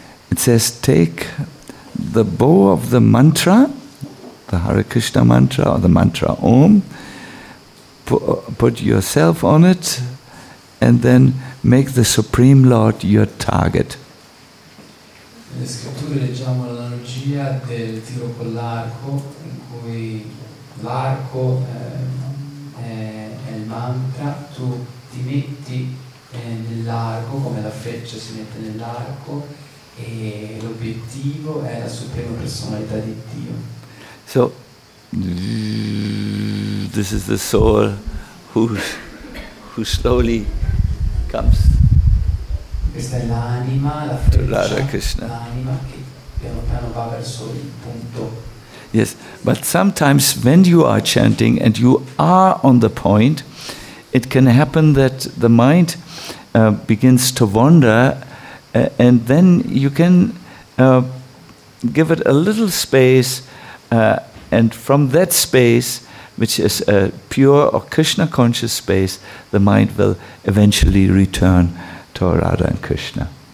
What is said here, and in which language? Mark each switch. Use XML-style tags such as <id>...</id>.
<en>It says, take the bow of the mantra, the Hare Krishna mantra or the mantra Om, put yourself on it, and then make the Supreme Lord your target.</en> <it>Nelle scritture leggiamo l'analogia del tiro con l'arco, in cui l'arco è il mantra, tu ti metti nell'arco, come la freccia si mette nell'arco, e l'obiettivo è la suprema personalità di Dio.</it> <en>So this is the soul who slowly comes.</en> <it>Questa è l'anima, la freccia,</it> <en>to Hare Krishna.</en> <it>L'anima che piano piano va verso il punto.</it> <en>Yes, but sometimes when you are chanting and you are on the point, it can happen that the mind begins to wander, and then you can give it a little space, and from that space, which is a pure or Krishna conscious space, the mind will eventually return to Radha and Krishna.</en>